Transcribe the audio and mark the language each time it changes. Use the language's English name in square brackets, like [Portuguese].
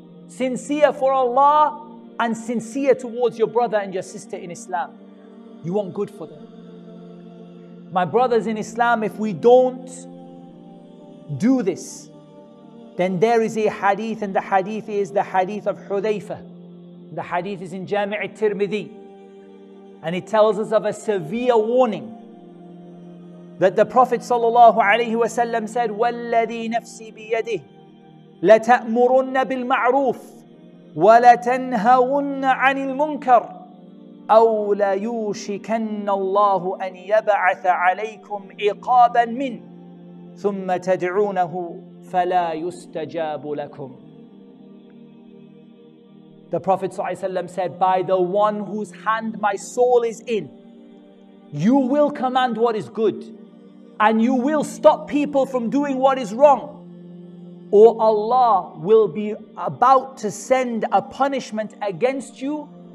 [English] Sincere for Allah and sincere towards your brother and your sister in Islam. You want good for them. My brothers in Islam, if we don't do this, then there is a hadith, and the hadith is the hadith of Hudhayfa. The hadith is in Jami' al-Tirmidhi. And it tells us of a severe warning that the Prophet sallallahu alayhi wa sallam said, [Arabic] وَالَّذِي نَفْسِي بِيَدِهِ لَتَأْمُرُنَّ بِالْمَعْرُوفِ وَلَتَنْهَوُنَّ عَنِ الْمُنْكَرِ أَوْ لَيُوشِكَنَّ اللَّهُ أَنْ يَبَعَثَ عَلَيْكُمْ عِقَابًا مِنْ ثُمَّ تَدْعُونَهُ فَلَا يُسْتَجَابُ لَكُمْ. [English] The Prophet ﷺ said, by the one whose hand my soul is in, you will command what is good and you will stop people from doing what is wrong, or Allah will be about to send a punishment against you.